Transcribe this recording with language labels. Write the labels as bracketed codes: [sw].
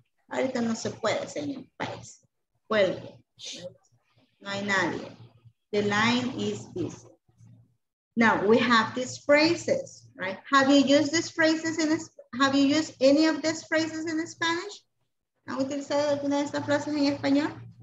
[es] Ahorita no se puede, señor. Vuelve. Right. No hay nadie. [en] The line is busy. Now we have these phrases, right? Have you used these phrases in have you used any of these phrases in Spanish? [es] ¿Han utilizado alguna de estas frases en español?